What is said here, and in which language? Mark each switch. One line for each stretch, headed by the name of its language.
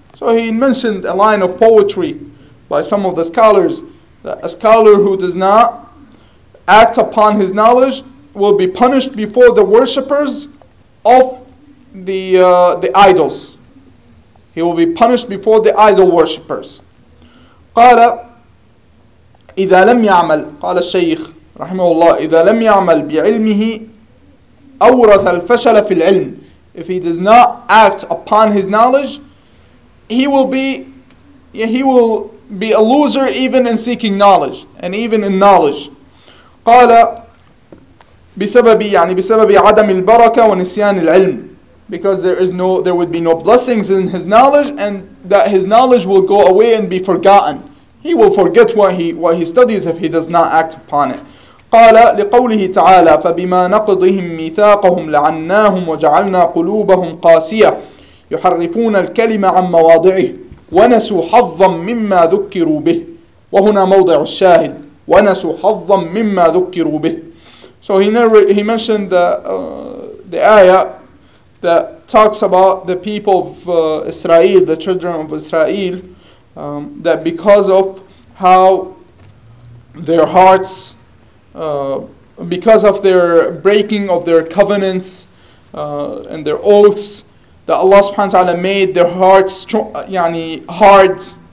English: So he mentioned a line of poetry by some of the scholars that a scholar who does not act upon his knowledge will be punished before the worshippers of the idols. He will be punished before the idol worshippers.
Arabic: قال إذا لم يعمل, قال الشيخ رحمه الله, إذا لم يعمل بعلمه أورث الفشل في العلم.
English: If he does not act upon his knowledge, he will be a loser even in seeking knowledge and even in knowledge.
Arabic: قال بسبب بسبب عدم البركة ونسيان العلم.
English: Because there would be no blessings in his knowledge, and that his knowledge will go away and be forgotten. He will forget what he studies if he does not act upon it.
Arabic: قال لقوله تعالى فبما نقضهم ميثاقهم لعناهم وجعلنا قلوبهم قاسية يحرفون الكلمة عن مواضعه ونسوا حظا مما ذكروا به. وهنا موضع الشاهد ونسوا حظا مما ذكروا به.
English: So he mentioned the ayah that talks about the people of Israel, the children of Israel, that because of how their hearts, because of their breaking of their covenants and their oaths, that Allah subhanahu wa ta'ala made their hearts hard,